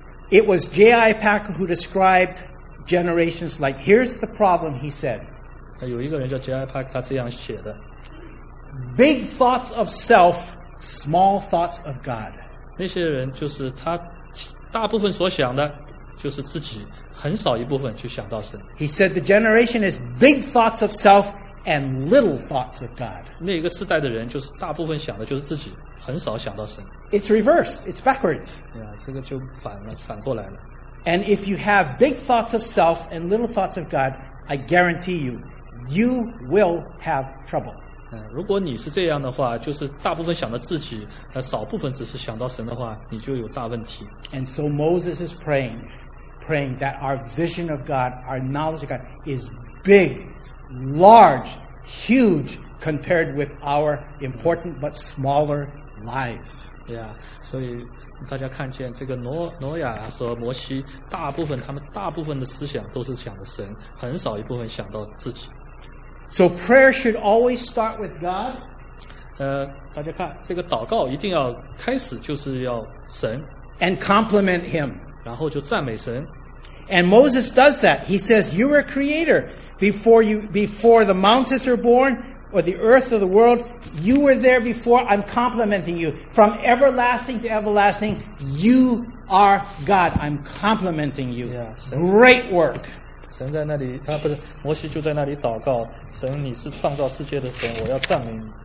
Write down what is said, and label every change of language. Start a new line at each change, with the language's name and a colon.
English: It was J.I. Packer who described generations like, here's the problem, he said.
Chinese: 有一个人叫 J.I. Packer, 他这样写的。
English: Big thoughts of self, small thoughts of God.
Chinese: 那些人就是他大部分所想的就是自己，很少一部分去想到神。
English: He said the generation is big thoughts of self and little thoughts of God.
Chinese: 那个世代的人就是大部分想的就是自己，很少想到神。
English: It's reversed. It's backwards.
Chinese: 这个就反过来了。
English: And if you have big thoughts of self and little thoughts of God, I guarantee you, you will have trouble.
Chinese: 如果你是这样的话，就是大部分想到自己，少部分只是想到神的话，你就有大问题。
English: And so Moses is praying that our vision of God, our knowledge of God, is big, large, huge, compared with our important but smaller lives.
Chinese: Yeah, 所以大家看见这个挪亚和摩西，他们大部分的思想都是想着神，很少一部分想到自己。
English: So prayer should always start with God.
Chinese: 大家看这个祷告一定要开始就是要神。
English: And compliment Him.
Chinese: 然后就赞美神。
English: And Moses does that. He says, you were creator. Before the mountains were born, or the earth or the world, you were there before. I'm complimenting you. From everlasting to everlasting, you are God. I'm complimenting you. Great work.
Chinese: 神在那里，不是，摩西就在那里祷告，神，你是创造世界的神，我要赞美你。